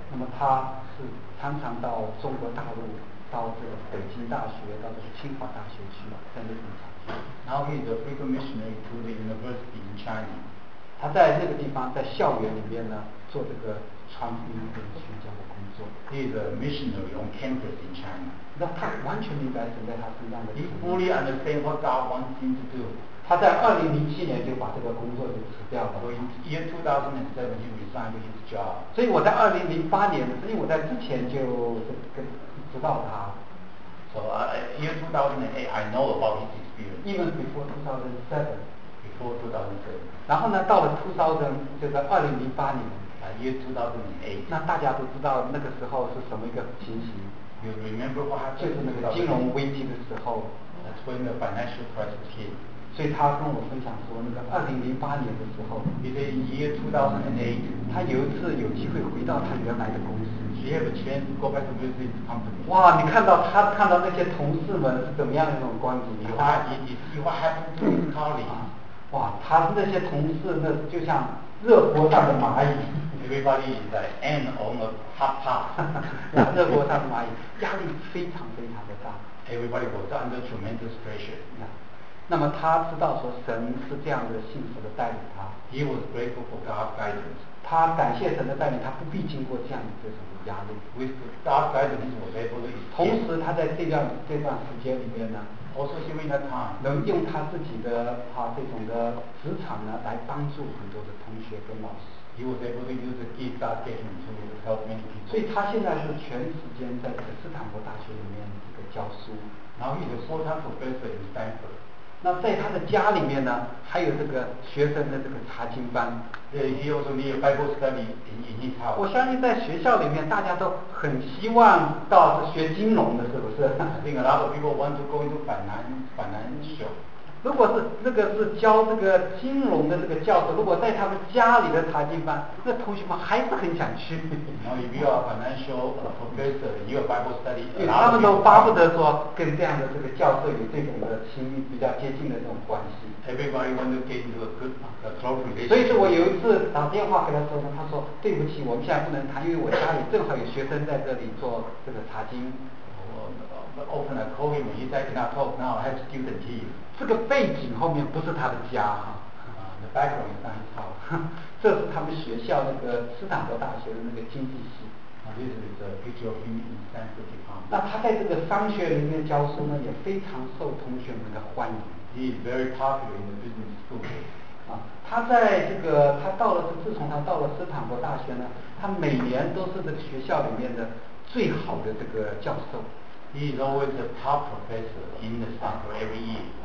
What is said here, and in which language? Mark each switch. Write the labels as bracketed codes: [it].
[zh] 那么他是常常到中国大陆，到这个北京大学，到这个清华大学去嘛，在那边讲学。 [en] Now he is a frequent missionary to the university in China. [zh] 他在那个地方，在校园里面呢，做这个传福音跟宣教的工作。 [en] He is a missionary on campus in China. [zh] 那他完全明白神在他身上的。 [en] He fully understands what God wants him to do. [zh] 他在2007年就把这个工作就辞掉了。 [en] So in year 2007, you resigned his job. [zh] 所以我在2008年，因为我在之前就知道他。 [en] So year 2008, I know about his experience. Even before 2007. Before 2007. [zh] 然后呢，到了 2000, 就在2008年。 [en] Year 2008. [zh] 那大家都知道那个时候是什么一个情形。 [en] You remember what happened? [zh] 就是那个金融危机的时候。 [en] That's when the financial crisis came. [zh] 所以他跟我分享说，那个2008年的时候 [en] ，in the year 2008, [zh] 他有一次有机会回到他原来的公司。 [en] He had a chance to go back to visit his company. [zh] 哇，你看到他看到那些同事们是怎么样的那种光景？他 [en] ，you see what happened to his colleagues? [zh] 哇，他是那些同事，那就像热锅上的蚂蚁。 [en] Everybody is like ant on a hot pot. [zh] 热锅上的蚂蚁，压力非常非常的大。 [en] Everybody was under tremendous pressure. Yeah. [zh] 那么他知道说神是这样的信实的带领他。 [en] He was grateful for God's guidance. [zh] 他感谢神的带领，他不必经过这样的什么压力。 [en] With God's guidance, he was able to. [zh] 同时，他在这段时间里面呢 [en] ，also during that time, [zh] 能用他自己的哈这种的职场呢，来帮助很多的同学跟老师。 [en] He was able to use the gift God gave him to help many people. [zh] 所以他现在是全时间在这个斯坦福大学里面。教书，然后一个 [en] full-time professor in Stanford。 [zh] 那在他的家里面呢，还有这个学生的这个查经班。 [en] He also need Bible study in his house。 [zh] 我相信在学校里面，大家都很希望到学金融的，是不是？那个 [en] lot of people want to go into financial。 [zh] 如果是那个是教这个金融的这个教授，如果在他们家里的查经班，那同学们还是很想去。然后 [en] if you are financial professor, you are Bible study, [zh] 他们都巴不得说跟这样的这个教授有这种的亲密比较接近的这种关系。 [en] Everybody want to get into a good close relationship. [zh] 所以说我有一次打电话给他说呢，他说对不起，我们现在不能谈，因为我家里正好有学生在这里做这个查经。 [en] Often I call him, he's like not talk now, I have student here. [zh] 这个背景后面不是他的家哈。 [en] The background is not his house. [zh] 这是他们学校那个斯坦福大学的那个经济系。 [en] This is a picture of him in Stanford department. [zh] 那他在这个商学里面教书呢，也非常受同学们的欢迎。 [en] He is very popular in the business school. [zh] 他在这个他到了自从他到了斯坦福大学呢，他每年都是这个学校里面的最好的这个教授。 [en] He is always the top professor in the Stanford every year.